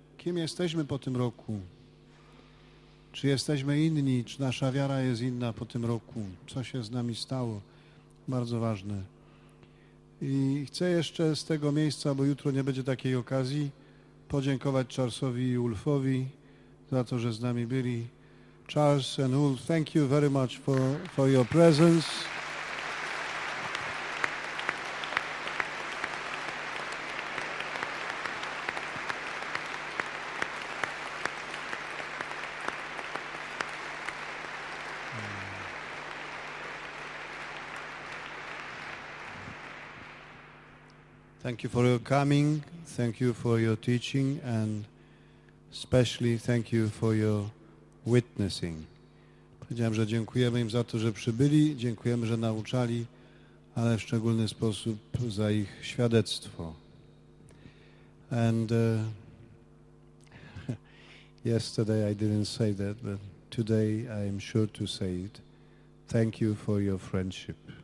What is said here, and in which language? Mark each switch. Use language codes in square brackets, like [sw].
[pl] kim jesteśmy po tym roku. Czy jesteśmy inni, czy nasza wiara jest inna po tym roku. Co się z nami stało? Bardzo ważne. I chcę jeszcze z tego miejsca, bo jutro nie będzie takiej okazji, podziękować Charlesowi i Ulfowi za to, że z nami byli. [en] Charles and Ulf, thank you very much for your presence. Thank you for your coming, thank you for your teaching, and especially thank you for your witnessing. [pl] Powiedziałem, że dziękujemy im za to, że przybyli, dziękujemy, że nauczali, ale w szczególny sposób za ich świadectwo. [en] And yesterday I didn't say that, but today I am sure to say it. Thank you for your friendship.